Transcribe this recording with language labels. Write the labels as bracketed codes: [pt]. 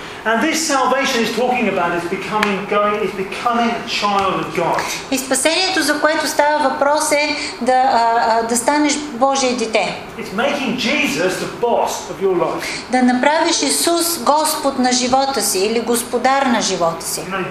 [en] And this salvation is talking about is becoming going is becoming a child of God. [bg] И спасението, за което става въпрос, е да станеш Божие дете. [en] It's making Jesus the boss of your life. [bg] Да направиш Исус Господ на живота си или господар на живота си.